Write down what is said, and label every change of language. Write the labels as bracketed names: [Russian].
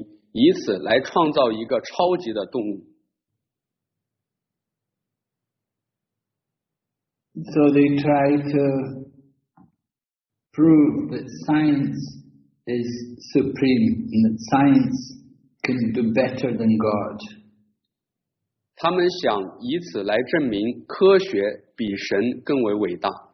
[Chinese] 他们把一个动物的基因放到另外一个动物的基因，以此来创造一个超级的动物。 [English] So they try to prove that science is supreme and that science can do better than God. [Chinese] 他们想以此来证明科学比神更为伟大。